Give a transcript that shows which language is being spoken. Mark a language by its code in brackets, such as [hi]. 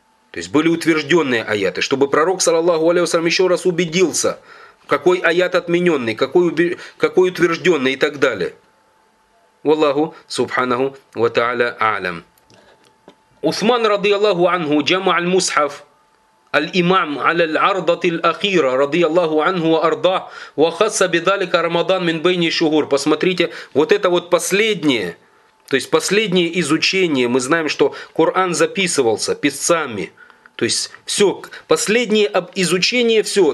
[ru] То есть были утвержденные аяты, чтобы пророк, саллаллаху алейхи вассалям, еще раз убедился, какой аят отмененный, какой утвержденный и так далее. Валлаху субханаху ва тааля аалям. Усман, радиаллаху анху, джама' аль-мусхаф. [ar] الإمام على العرضة الأخيرة رضي الله عنه وأرضاه وخص بذلك رمضان من بين الشهور. [ru] Посмотрите, вот это вот последнее, то есть последнее изучение. Мы знаем, что Коран записывался писцами. То есть все, последнее изучение, все.